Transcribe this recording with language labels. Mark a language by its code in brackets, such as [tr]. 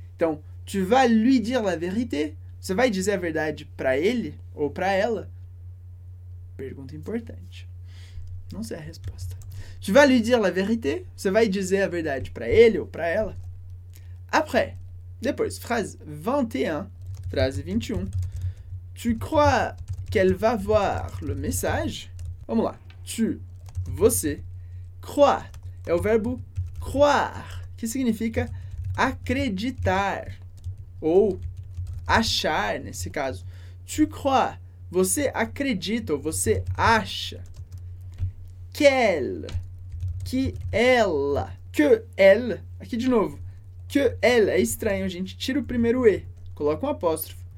[pt] Então, [fr] tu vas lui dire la vérité? [pt] Você vai dizer a verdade para ele ou para ela? Pergunta importante. Não sei a resposta. [fr] Tu vas lui dire la vérité? [pt] Você vai dizer a verdade para ele ou para ela? [fr] Après. [pt] Depois, [fr] phrase 21. Phrase 21. Tu crois qu'elle va voir le message? [pt] Vamos lá. Tu, você, croire, é o verbo croire, que significa acreditar, ou achar, nesse caso. [fr] Tu crois, [pt] você acredita, ou você acha, [fr] qu'elle, [pt] que ela, [fr] que elle, [pt] aqui de novo, que elle, é estranho, a gente tira o primeiro E, coloca um apóstrofo.